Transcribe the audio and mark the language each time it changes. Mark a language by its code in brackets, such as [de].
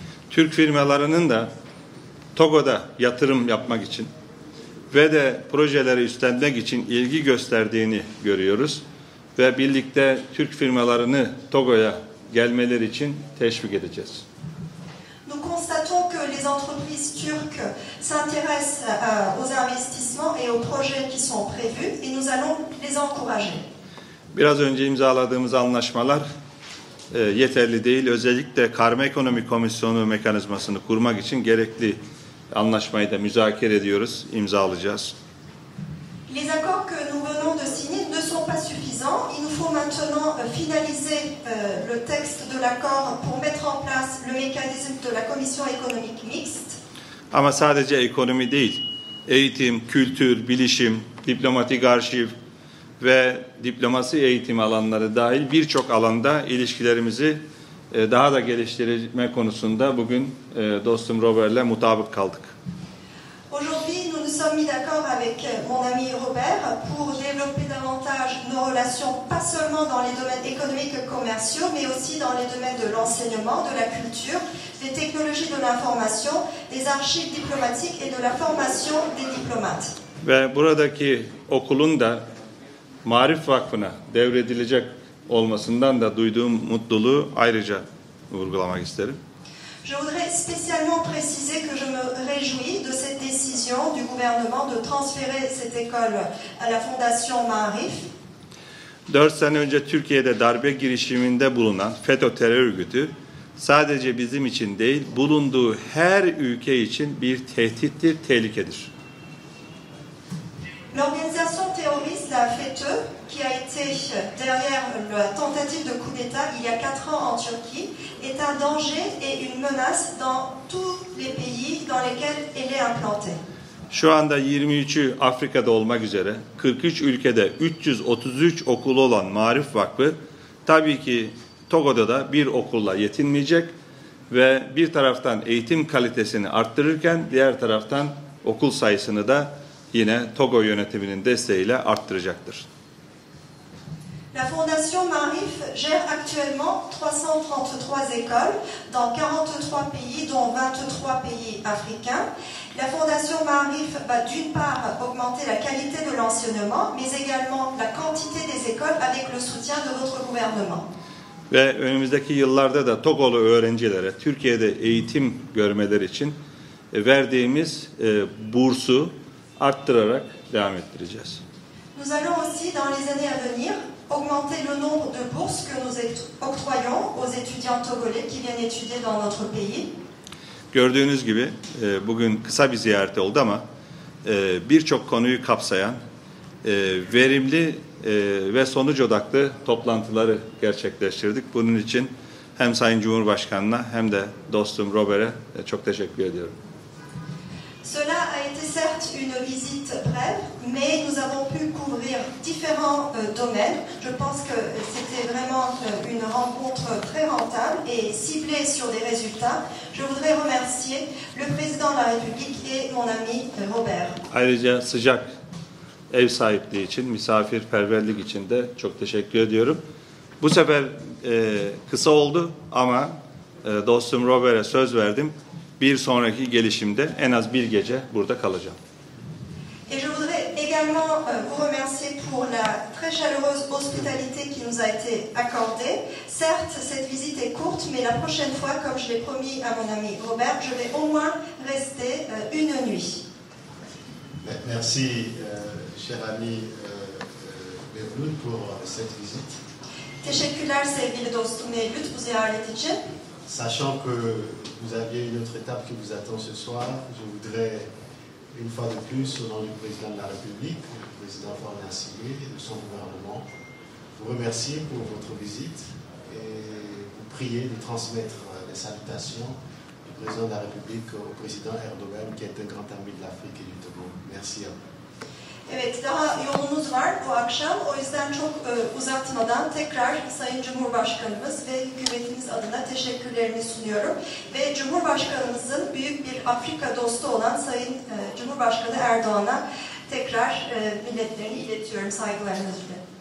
[tr] Türk firmalarının da Togo'da yatırım yapmak için ve de projeleri üstlenmek için ilgi gösterdiğini görüyoruz ve birlikte Türk firmalarını Togo'ya gelmeleri için teşvik edeceğiz. [fr] Nous constatons que les entreprises turques s'intéressent aux investissements et aux projets qui sont prévus et nous allons les encourager. [tr] Biraz önce imzaladığımız anlaşmalar yeterli değil. Özellikle Karma Ekonomi Komisyonu mekanizmasını kurmak için gerekli anlaşmayı da müzakere ediyoruz, imzalayacağız. [fr] Les accords que nous venons de signer ne sont pas suffisants. Il nous faut maintenant finaliser le texte de l'accord pour mettre en place le mécanisme de la commission économique mixte. [tr] Ama sadece ekonomi değil, eğitim, kültür, bilişim, diplomatik arşiv ve diplomasi eğitim alanları dahil birçok alanda ilişkilerimizi daha da geliştirme konusunda bugün dostum Robert'le mutabık kaldık. [fr] Aujourd'hui nous nous sommes mis d'accord avec mon ami Robert pour développer davantage nos relations pas seulement dans les domaines économiques et commerciaux mais aussi dans les domaines de l'enseignement, de la culture, des technologies de l'information, des archives diplomatiques et de la formation des diplomates. [tr] Ve buradaki okulun da Maarif Vakfı'na devredilecek olmasından da duyduğum mutluluğu ayrıca vurgulamak isterim. [fr] Je voudrais spécialement préciser que je me réjouis de cette décision du gouvernement de transférer cette école à la Fondation Maarif. [tr] 4 sene önce Türkiye'de darbe girişiminde bulunan FETÖ terör örgütü sadece bizim için değil, bulunduğu her ülke için bir tehdittir, tehlikedir. [fr] L'organisation terroriste la FETÖ qui a été derrière la tentative de coup d'État il y a 4 ans en Turquie est un danger et une menace dans tous les pays dans lesquels elle est implantée. [tr] Şu anda 23'ü Afrika'da olmak üzere 43 ülkede 333 okulu olan Maarif Vakfı tabii ki Togo'da da bir okulla yetinmeyecek ve bir taraftan eğitim kalitesini arttırırken diğer taraftan okul sayısını da yine Togo yönetiminin desteğiyle arttıracaktır. [fr] La Fondation Marif gère actuellement 333 écoles dans 43 pays, dont 23 pays africains. La Fondation Marif va d'une part augmenter la qualité de l'enseignement, mais également la quantité des écoles avec le soutien de votre gouvernement. [tr] Ve önümüzdeki yıllarda da Togolu öğrencilere Türkiye'de eğitim görmeleri için verdiğimiz bursu arttırarak devam ettireceğiz. [fr] Nous allons aussi dans les années à venir augmenter le nombre de bourses que nous octroyons aux étudiants togolais qui viennent étudier dans notre pays. [tr] Gördüğünüz gibi bugün kısa bir ziyaret oldu ama birçok konuyu kapsayan verimli ve sonuç odaklı toplantıları gerçekleştirdik. Bunun için hem Sayın Cumhurbaşkanı'na hem de dostum Robert'e çok teşekkür ediyorum. [fr] Cela a été certes une visite brève, mais nous avons pu couvrir différents domaines. Je pense que c'était vraiment une rencontre très rentable et ciblée sur des résultats. Je voudrais remercier le président de la République et mon ami Robert. [tr] Ayrıca sıcak ev sahipliği için, misafirperverlik için de çok teşekkür ediyorum. Bu sefer kısa oldu ama dostum Robert'e söz verdim. Bir sonraki gelişimde en az bir gece burada kalacağım. [fr] Et je voudrais également vous remercier pour la très chaleureuse hospitalité qui nous a été accordée. Certes, cette visite est courte, mais la prochaine fois, comme je l'ai promis à mon ami Robert, je vais au moins rester une nuit. Merci, cher ami Mevlut, pour cette visite. [tr] Teşekkürler sevgili dostum Mevlut bu ziyaret için. [fr] Sachant que vous aviez une autre étape qui vous attend ce soir, je voudrais une fois de plus, au nom du président de la République, le président Faure Nassimé et de son gouvernement, vous remercier pour votre visite et vous prier de transmettre les salutations du président de la République au président Erdogan, qui est un grand ami de l'Afrique et du Togo. Merci à vous. [tr] Evet, daha yolumuz var bu akşam. O yüzden çok uzatmadan tekrar Sayın Cumhurbaşkanımız ve hükümetimiz adına teşekkürlerimi sunuyorum. Ve Cumhurbaşkanımızın büyük bir Afrika dostu olan Sayın Cumhurbaşkanı Erdoğan'a tekrar milletlerini iletiyorum saygılarınızla.